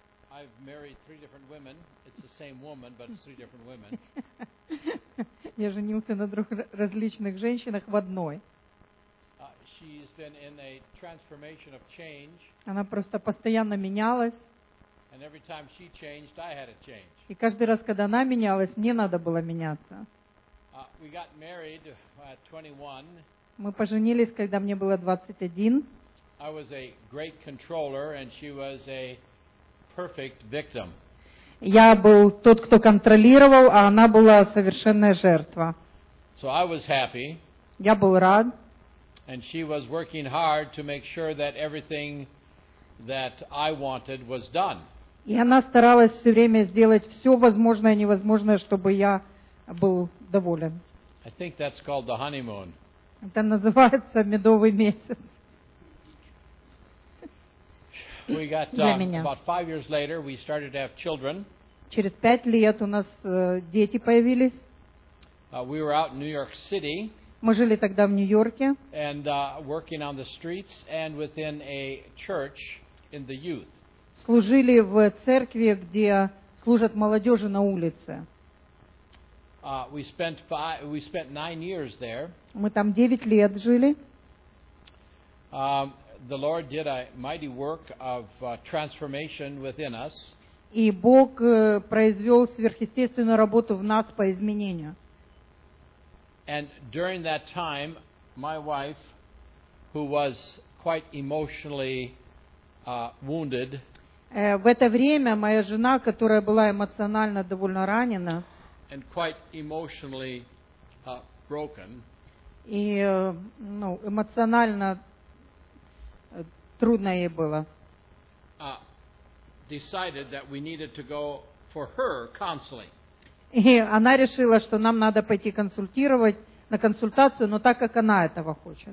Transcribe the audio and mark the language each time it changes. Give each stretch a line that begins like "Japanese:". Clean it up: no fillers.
English: I've married three different women. It's the same woman, but it's three different women.
Russian: Я женился на трёх различных женщинах в одной.
English: She's been in a transformation of change.
Russian: Она просто постоянно менялась.
English: And every time she changed, I had to change.
Russian: И каждый раз, когда она менялась, мне надо было меняться.
English: We got married at 21.
Russian: Мы поженились, когда мне было 21.
English: I was a great controller, and she was a perfect victim.
Russian: Я был тот, кто контролировал, а она была совершенная жертва.
English: So I was happy.
Russian: Я был рад.
English: And she was working hard to make sure that everything that I wanted was done.
Russian: И она старалась все время сделать все возможное и невозможное, чтобы я был доволен.
English: I think that's called the honeymoon.
Russian: Это называется медовый месяц.
English: We got about 5 years later, we started to have children.
Russian: Через 5 лет у нас дети появились.
English: We were out in New York City.
Russian: Мы жили тогда в Нью-Йорке.
English: And working on the streets and within a church in the youth.
Russian: Служили в церкви, где служат молодежи на улице.
English: We spent 9 years there.
Russian: Мы там 9 лет жили.
English: The Lord did a mighty work of transformation within us.
Russian: И Бог произвел сверхъестественную работу в нас по изменению.
English: And during that time, my wife, who was quite emotionally wounded,
Russian: в это время моя жена, которая была эмоционально довольно ранена,
English: and quite emotionally broken,
Russian: и эмоционально трудно ей было.
English: Decided that we needed to go for her counseling.
Russian: И она решила, что нам надо пойти консультировать, на консультацию, но так как она этого хочет.